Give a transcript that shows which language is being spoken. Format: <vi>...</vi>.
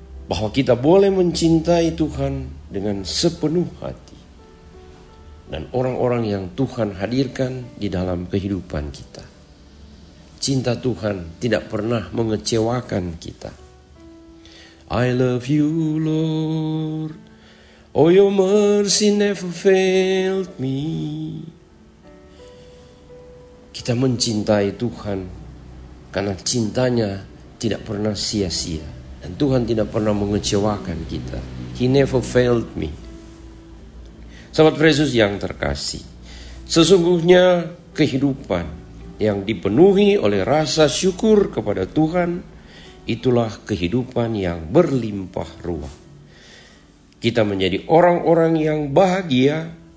<id>Bahwa kita boleh mencintai Tuhan dengan sepenuh hati. Dan orang-orang yang Tuhan hadirkan di dalam kehidupan kita. Cinta Tuhan tidak pernah mengecewakan kita.</id> <en>I love you, Lord. Oh, your mercy never failed me.</en> <id>Kita mencintai Tuhan karena cintanya tidak pernah sia-sia. Dan Tuhan tidak pernah mengecewakan kita. He never failed me. Sahabat Yesus yang terkasih, sesungguhnya kehidupan yang dipenuhi oleh rasa syukur kepada Tuhan, itulah kehidupan yang berlimpah ruah. Kita menjadi orang-orang yang bahagia</id>